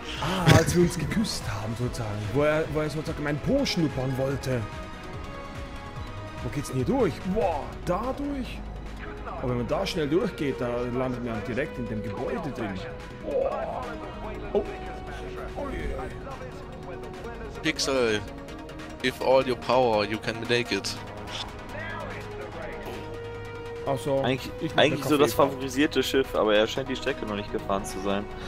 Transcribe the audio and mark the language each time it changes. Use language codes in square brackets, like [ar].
[de] Ah, als wir uns geküsst haben, sozusagen. Wo er sozusagen meinen Po schnuppern wollte. Wo geht's denn hier durch? Boah, da durch? Aber wenn man da schnell durchgeht, da landet man direkt in dem Gebäude drin. Oh. Oh. [en] Yeah. Pixel, with all your power, you can make it. [de] Also, eigentlich so das favorisierte Schiff, aber er scheint die Strecke noch nicht gefahren zu sein.